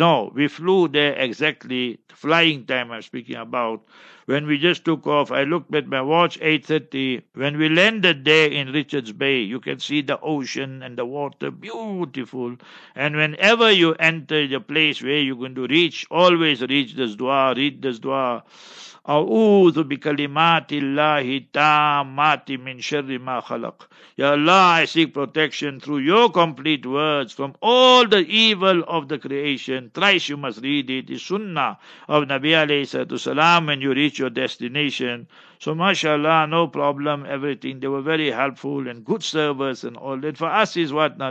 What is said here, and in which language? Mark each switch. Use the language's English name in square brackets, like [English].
[English] No, we flew there exactly, flying time I'm speaking about. When we just took off, I looked at my watch, 8:30. When we landed there in Richards Bay, you can see the ocean and the water, beautiful. And whenever you enter the place where you're going to reach, always reach this dua, read this dua. [Arabic] أعوذ بكلمات الله التامات من شر ما خلق. [English] Ya Allah, I seek protection through your complete words from all the evil of the creation. Thrice you must read it. The sunnah of Nabi alayhi salam when you reach your destination. So mashallah, no problem, everything. They were very helpful and good servers and all that. For us is what now?